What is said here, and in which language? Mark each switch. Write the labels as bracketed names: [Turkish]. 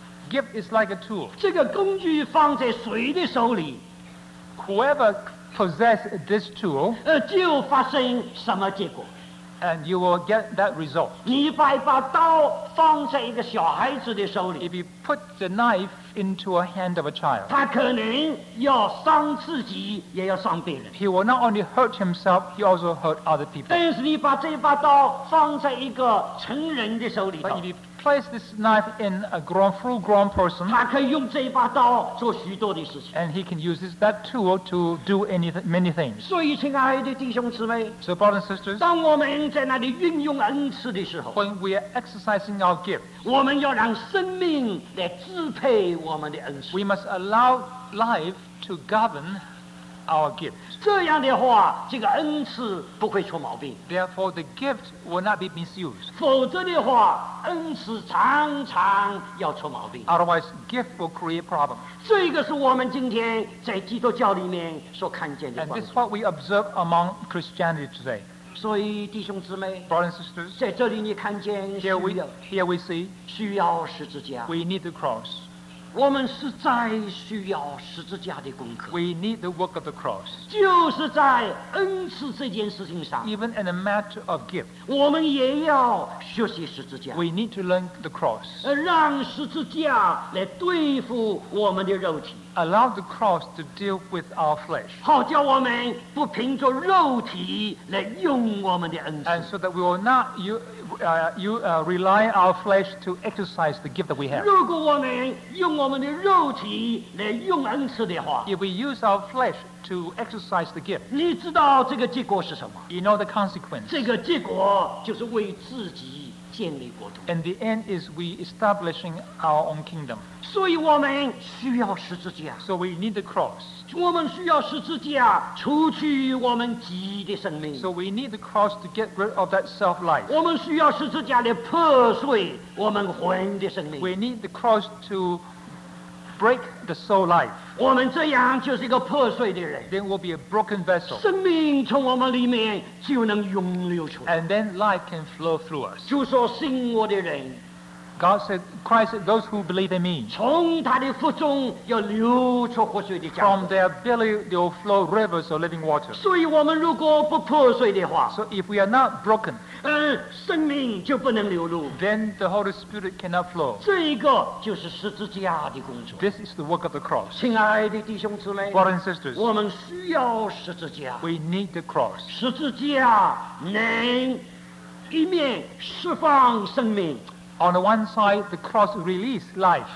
[English] Gift is like a tool. [Chinese] 这个工具放在谁的手里？ [English] Whoever possesses this tool, [Chinese] 就发生什么结果？ [English] And you will get that result. [Chinese] 你把一把刀放在一个小孩子的手里。 [English] If you put the knife into a hand of a child, [Chinese] 他可能要伤自己，也要伤别人。 [English] He will not only hurt himself, he also hurt other people. [Chinese] 但是你把这把刀放在一个成人的手里。 [English] But if you place this knife in a full-grown person, [Chinese] 他可以用这把刀做许多的事情。 [English] And he can use that tool to do many things. [Chinese] 所以，亲爱的弟兄姊妹， [English] So, brothers and sisters, [Chinese] 当我们在那里运用恩赐的时候， [English] When we are exercising our gift, [Chinese] 我们要让生命来支配我们的恩赐。 [English] We must allow life to govern our gift. [Chinese] 这样的话，这个恩赐不会出毛病。 [English] Therefore, the gift will not be misused. [Chinese] 否则的话，恩赐常常要出毛病。 [English] Otherwise, gift will create problems. [Chinese] 这个是我们今天在基督教里面所看见的。 [English] And this is what we observe among Christianity today. [Chinese] 所以弟兄姊妹， [English] brothers and sisters, [Chinese] 在这里你看见需要， [English] here we see, [Chinese] 需要十字架。 [English] We need the cross. [Chinese] 我们实在需要十字架的功课。 [English] We need the work of the cross. [Chinese] 就是在恩赐这件事情上。 [English] Even in a matter of gift. [Chinese] 我们也要学习十字架。 [English] We need to learn the cross. [Chinese] 让十字架来对付我们的肉体。 [English] Allow the cross to deal with our flesh. [Chinese] 好叫我们不凭着肉体来用我们的恩赐。 [English] And so that we will not rely our flesh to exercise the gift that we have. [Chinese] 如果我们用我们的肉体来用恩赐的话， [English] If we use our flesh to exercise the gift, [Chinese] 你知道这个结果是什么？ [English] You know the consequence. [Chinese] 这个结果就是为自己建立国度。 [English] And the end is we establishing our own kingdom. [Chinese] 所以我们需要十字架。 [English] So we need the cross. [Chinese] 我们需要十字架除去我们己的生命。 [English] So we need the cross to get rid of that self-life. [Chinese] 我们需要十字架来破碎我们魂的生命。 [English] We need the cross to break the soul life. [Chinese] 我们这样就是一个破碎的人。 [English] Then we'll be a broken vessel. [Chinese] 生命从我们里面就能涌流出来。 [English] And then life can flow through us. [Chinese] 主说信我的人。 [English] God said, Christ said, those who believe in me, [Chinese] 从他的腹中要流出活水的江河。 [English] From their belly they will flow rivers of living water. [Chinese] 所以我们如果不破碎的话， [English] So if we are not broken, [Chinese] 生命就不能流露。 [English] Then the Holy Spirit cannot flow. [Chinese] 这一个就是十字架的工作。 [English] This is the work of the cross. [Chinese] 亲爱的弟兄姊妹， [English] Brothers and sisters, [Chinese] 我们需要十字架。 [English] We need the cross. [Chinese] 十字架能一面释放生命。 [English] On the one side, the cross releases life.